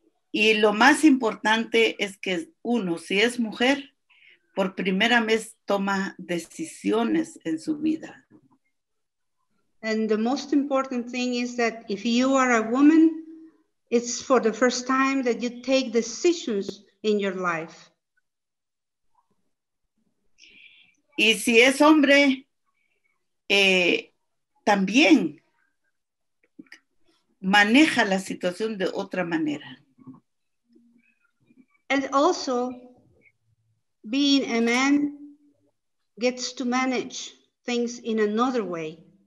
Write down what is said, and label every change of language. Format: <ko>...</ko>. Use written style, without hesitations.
<es>Y lo más importante es que uno, si es mujer, por primera vez toma decisiones en su vida.</es> <en>And the most important thing is that if you are a woman, it's for the first time that you take decisions in your life.</en> <es>Y si es hombre, también maneja la situación de otra manera.</es> <en>And also, being a man gets to manage things in another way.</en>